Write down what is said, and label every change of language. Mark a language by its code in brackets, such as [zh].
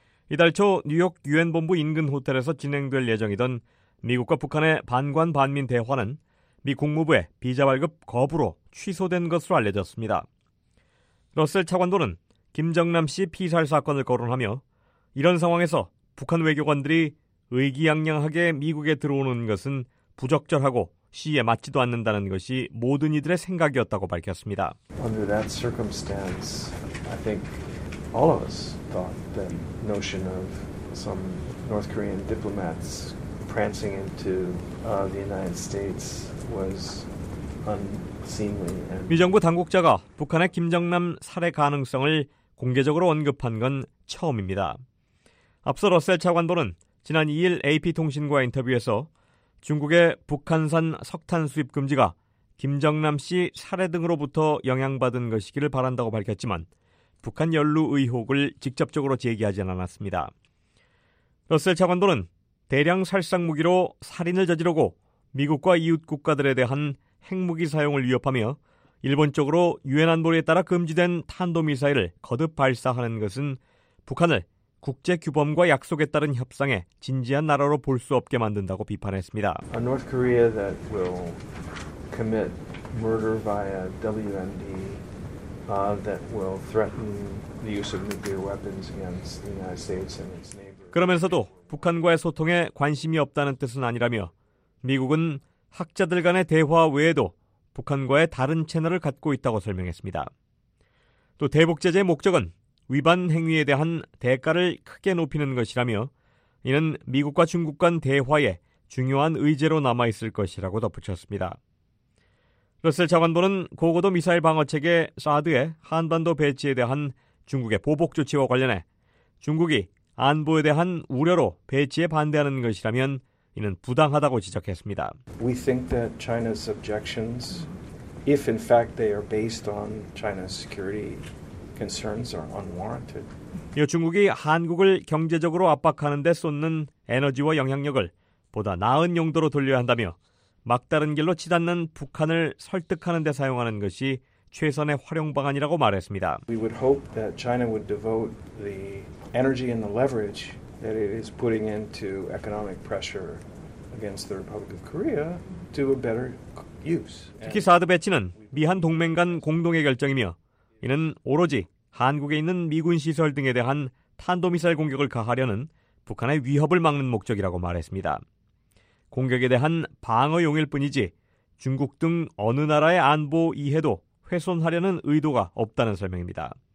[ko] 이달 초 뉴욕 유엔 본부 인근 호텔에서 진행될 예정이던 미국과 북한의 반관 반민 대화는 미 국무부의 비자 발급 거부로 취소된 것으로 알려졌습니다. 러셀 차관도는 김정남 씨 피살 사건을 거론하며 이런 상황에서 북한 외교관들이 의기양양하게 미국에 들어오는 것은 부적절하고 시에 맞지도 않는다는 것이 모든 이들의 생각이었다고 밝혔습니다. [en] Under that circumstance, I think all of us thought that notion of some North Korean diplomats prancing into the United States was unseemly. [ko] 미 정부 당국자가 북한의 김정남 살해 가능성을 공개적으로 언급한 건 처음입니다. 앞서 러셀 차관보는 지난 2일 AP통신과 인터뷰에서 중국의 북한산 석탄 수입 금지가 김정남 씨 살해 등으로부터 영향받은 것이기를 바란다고 밝혔지만 북한 연루 의혹을 직접적으로 제기하지는 않았습니다. 러셀 차관도는 대량 살상 무기로 살인을 저지르고 미국과 이웃 국가들에 대한 핵무기 사용을 위협하며 일본 쪽으로 유엔 안보리에 따라 금지된 탄도미사일을 거듭 발사하는 것은 북한을 국제 규범과 약속에 따른 협상에 진지한 나라로 볼 수 없게 만든다고 비판했습니다. [en] A North Korea that will commit murder via WMD that will threaten the use of nuclear weapons against the United States and its neighbors. [ko] 그러면서도 북한과의 소통에 관심이 없다는 뜻은 아니라며 미국은 학자들 간의 대화 외에도 북한과의 다른 채널을 갖고 있다고 설명했습니다. 또 대북 제재의 목적은 위반 행위에 대한 대가를 크게 높이는 것이라며 이는 미국과 중국 간 대화에 중요한 의제로 남아있을 것이라고 덧붙였습니다. 러셀 차관보는 고고도 미사일 방어체계 사드의 한반도 배치에 대한 중국의 보복 조치와 관련해 중국이 안보에 대한 우려로 배치에 반대하는 것이라면 이는 부당하다고 지적했습니다. [en] We think that China's objections, if in fact they are based on China's security concerns, are unwarranted. [ko] 이어 중국이 한국을 경제적으로 압박하는 데 쏟는 에너지와 영향력을 보다 나은 용도로 돌려야 한다며 막다른 길로 치닫는 북한을 설득하는 데 사용하는 것이 최선의 활용 방안이라고 말했습니다. [en] We would hope that China would devote the energy and the leverage that it is putting into economic pressure against the Republic of Korea to a better use. [ko] 특히 사드 배치는 미한 동맹 간 공동의 결정이며 이는 오로지 한국에 있는 미군 시설 등에 대한 탄도미사일 공격을 가하려는 북한의 위협을 막는 목적이라고 말했습니다. 공격에 대한 방어용일 뿐이지 중국 등 어느 나라의 안보 이해도 훼손하려는 의도가 없다는 설명입니다.